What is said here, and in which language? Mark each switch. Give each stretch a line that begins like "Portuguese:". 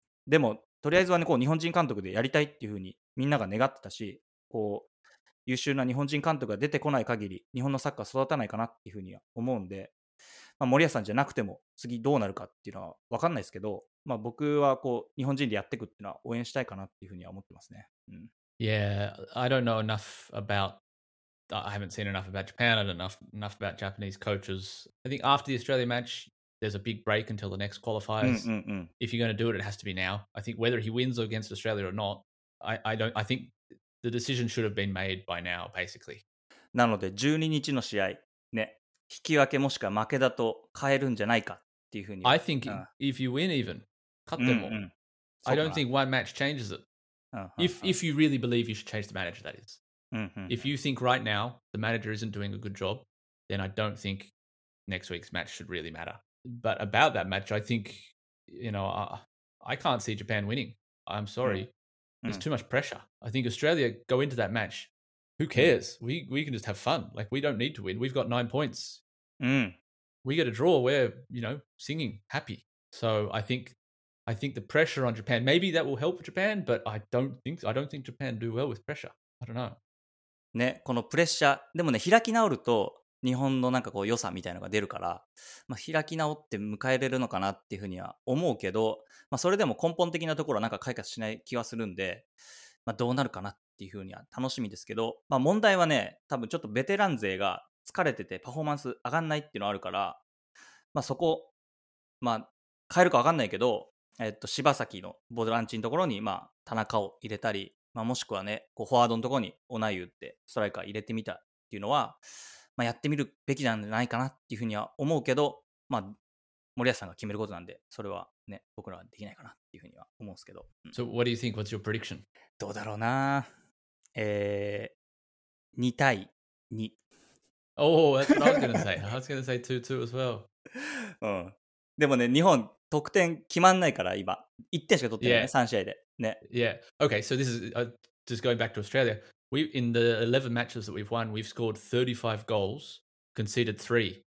Japanese: でもとりあえずはね、こう日本人監督でやりたいっていう風にみんなが願ってたし、こう優秀な日本人監督が出てこない限り日本のサッカー育たないかなっていう風には思うんで、まあ、森谷さんじゃなくても次どうなるかっていうのは分かんないですけど、まあ、僕はこう日本人でやっていくっていうのは応援したいかなっていう風には思ってますね、うん、
English: Yeah, I don't know enough about I haven't seen enough about Japan. I don't know enough about Japanese coaches. I think after the Australia matchThere's a big break until the next qualifiers. If you're going to do it, it has to be now. I think whether he wins against Australia or not, I think the decision should have been made by now, basically.
Japanese: なので12日の試合、ね、引き分けもしくは負けだと変えるんじゃないかっていうふうに。
English: I think if you win even,
Japanese: 勝っても、うんうん、
English: I don't think one match changes it. If you really believe you should change the manager, that is. Mm-hmm. If you think right now the manager isn't doing a good job, then I don't think next week's match should really matter. But about that match, I think, you know, I can't see Japan winning. I'm sorry. Mm. There's too much pressure. I think Australia go into that match. Who cares? Mm. We can just have fun. Like, we don't need to win. We've got 9 points. Mm. We get a draw. We're, you know, singing, happy. So I think the pressure on Japan, maybe that will help Japan, but I don't think Japan do well with pressure. I don't know.
Japanese: ね、このプレッシャーでもね、開き直ると日本のなんかこう良さみたいなのが出るから、まあ、開き直って迎えれるのかなっていうふうには思うけど、まあ、それでも根本的なところはなんか解決しない気はするんで、まあ、どうなるかなっていうふうには楽しみですけど、まあ、問題はね、多分ちょっとベテラン勢が疲れててパフォーマンス上がんないっていうのあるから、まあ、そこ、まあ、変えるか分かんないけど、柴崎のボランチのところに、まあ、田中を入れたり、まあ、もしくはね、こうフォワードのところにオナイユってストライカー入れてみたっていうのは、まあ、やってみるべきじゃないかなっていうふうには思うけど、まあ、森保さんが決めることなんで、それはね、僕らはできないかなっていうふうには思うんですけど。うん、
English: So what do you think? What's your prediction?
Japanese: どうだろうな。2対2。
English: Oh, that's what I was going to say. I was going to say 2-2 as well. うん。
Japanese: でもね、日本、得点決まんないから今。 1点しか取ってないね、 yeah. 3試合で。ね、 yeah.
English: Okay, so this is just going back to Australia. We in the 11 matches that we've won, we've scored 35 goals, conceded 3.